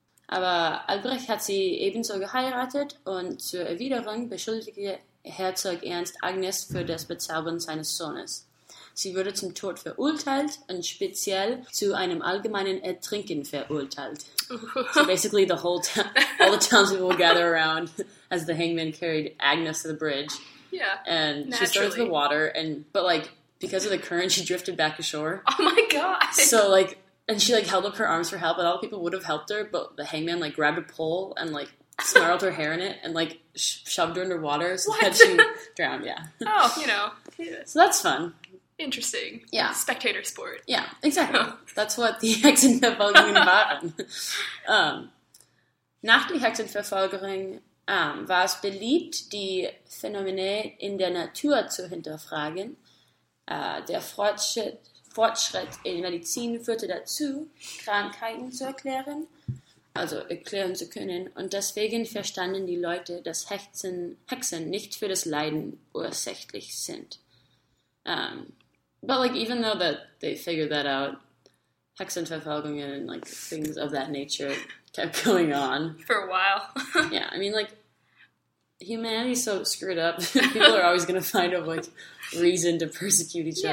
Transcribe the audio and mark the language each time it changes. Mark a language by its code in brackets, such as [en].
[de] Aber Albrecht hat sie ebenso geheiratet und zur Erwiderung beschuldigte Herzog Ernst Agnes für das Bezaubern seines Sohnes. Sie wurde zum Tod verurteilt und speziell zu einem allgemeinen Ertrinken verurteilt. [en] So basically the whole town, all the townspeople gather around as the hangman carried Agnes to the bridge. Yeah, and naturally. She started to the water, and but like because of the current, she drifted back ashore. Oh my god! So like, and she like held up her arms for help, and all the people would have helped her, but the hangman like grabbed a pole and like snarled her hair in it and like shoved her underwater so that she drowned. Yeah. Oh, you know. So that's fun. Interesting. Yeah. Spectator sport. Yeah, exactly. That's what the [de] Hexenverfolgung war. Nach der Hexenverfolgung war es beliebt, die Phänomene in der Natur zu hinterfragen. Der Fortschritt in Medizin führte dazu, Krankheiten zu erklären, also erklären zu können. Und deswegen verstanden die Leute, dass Hexen nicht für das Leiden ursächlich sind. [en] But like even though that they figured that out, Hexenverfolgungen and like things of that nature kept going on for a while. Yeah, I mean like humanity's so screwed up. People are always gonna find a like reason to persecute each other.